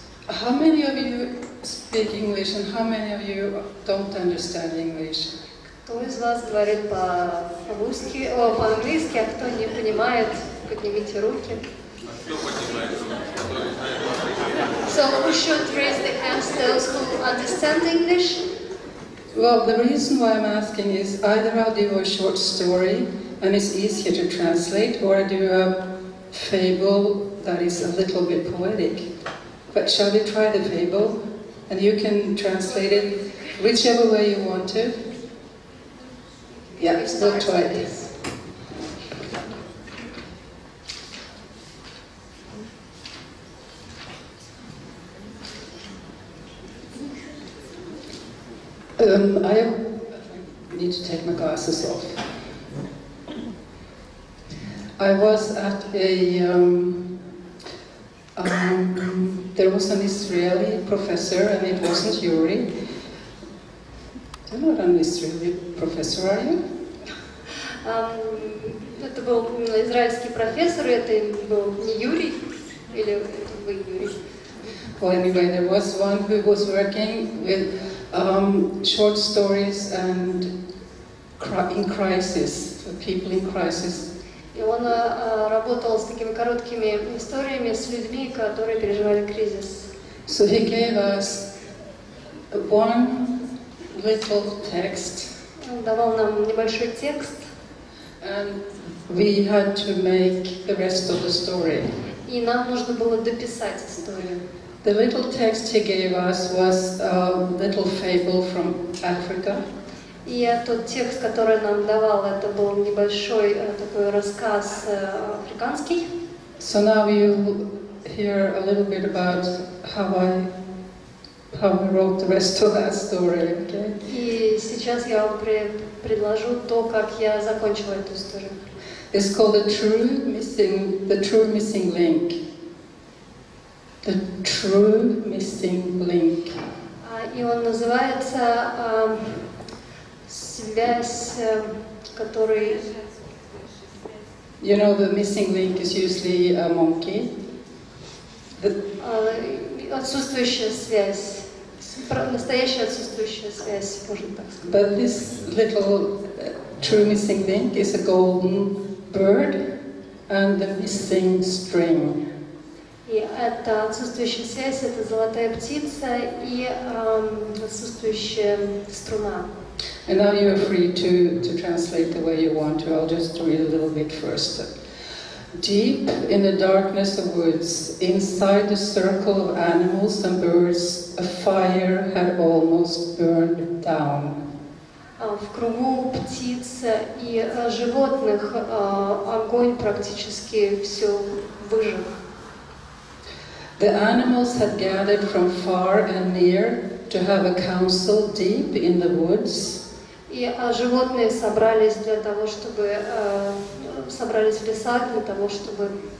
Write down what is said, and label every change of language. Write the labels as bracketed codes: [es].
[en] How many of you speak English and how many of you don't understand English? [ru] Кто из вас говорит по-русски, по-английски, а кто не понимает, поднимите руки. [en] So who should raise the hands, those who understand English? Well, the reason why I'm asking is either I'll do a short story and it's easier to translate, or I do a fable that is a little bit poetic. But shall we try the fable? And you can translate it whichever way you want to. Yeah, we'll try this. I need to take my glasses off. I was at there was an Israeli professor, and it wasn't Yuri. You're not an Israeli professor, are you? [ru] Это был израильский профессор, это был не Юрий, или это был Юрий? [en] Well, anyway, there was one who was working with short stories and in crisis, for people in crisis. [ru] И он работал с такими короткими историями, с людьми, которые переживали кризис. [en] So he gave us one little text. [ru] Он давал нам небольшой текст. [en] And we had to make the rest of the story. [ru] И нам нужно было дописать историю. [en] The little text he gave us was a little fable from Africa. [ru] И тот текст, который нам давал, это был небольшой такой рассказ африканский. [en] So now you hear a little bit about how we wrote the rest of that story, okay? [ru] И сейчас я вам предложу то, как я закончила эту историю. [en] It's called the true missing link. The true missing link. [ru] И он называется связь, который [en] You know, the missing link is usually a monkey. [ru] Отсутствующая связь, настоящая отсутствующая связь, можно так сказать. [en] But this little true missing link is a golden bird and the missing string. [ru] И эта отсутствующая связь — это золотая птица и отсутствующая струна. [en] And now you are free to translate the way you want to. I'll just read a little bit first. Deep in the darkness of woods, inside the circle of animals and birds, a fire had almost burned down. [ru] В кругу птиц и животных огонь практически все выжег. [en] The animals had gathered from far and near to have a council deep in the woods. [ru] И животные собрались для того, чтобы собрались в лесах для того, чтобы.